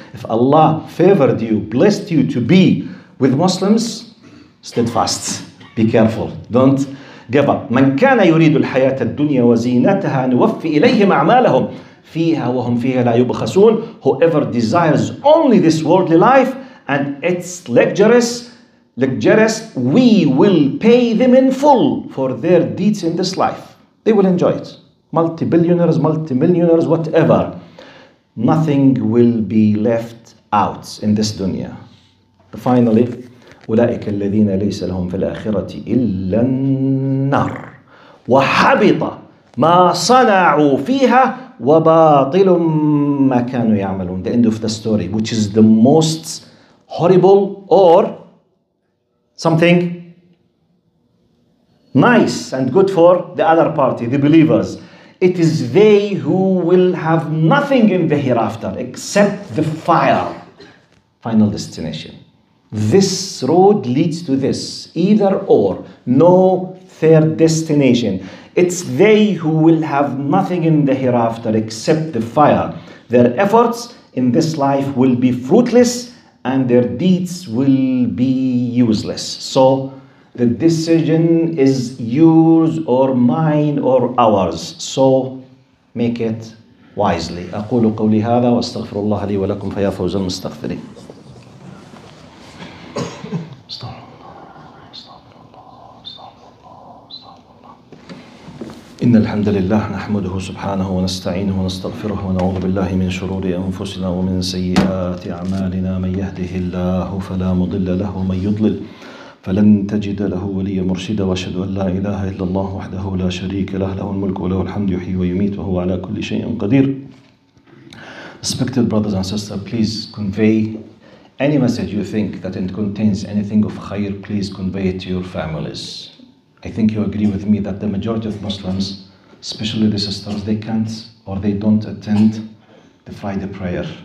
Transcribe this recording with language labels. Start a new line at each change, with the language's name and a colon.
English: If Allah favored you, blessed you to be with Muslims, steadfast. Be careful. Don't give up.
Arabic: من كان يريد الحياة الدنيا وزينتها نوفي إليهم أعمالهم فيها وهم فيها لا يبخسون.
English: Whoever desires only this worldly life and its luxurious, we will pay them in full for their deeds in this life. They will enjoy it. Multi-billionaires, multi-millionaires, whatever. Nothing will be left out in this dunya.
Arabic: Finally, أولئك الذين ليس لهم في الآخرة إلا النار وحبط ما صنعوا فيها وباطل ما كانوا يعملون.
English: The end of the story, which is the most horrible or something nice and good for the other party, the believers. It is they who will have nothing in the hereafter except the fire. Final destination. This road leads to this. Either or. No third destination. It's they who will have nothing in the hereafter except the fire. Their efforts in this life will be fruitless and their deeds will be useless. So the decision is yours or mine or ours. So make it wisely.
Arabic: أقول قولي هذا واستغفر الله لي ولكم فيا فوز المستغفرين. إن الحمد لله نحمده سبحانه ونستعينه ونستغفره ونعوذ بالله من شرور أنفسنا ومن سيئات أعمالنا. من يهده الله فلا مضل له ومن يضلل فلن تجد له وليا مرشدا. وأشهد أن لا إله إلا الله وحده لا شريك له, له الملك وله الحمد يحيي ويميت وهو على كل شيء قدير.
English: Respected brothers and sisters, please convey any message you think that it contains anything of khair, please convey it to your families. I think you agree with me that the majority of Muslims, especially the sisters, they can't or they don't attend the Friday prayer.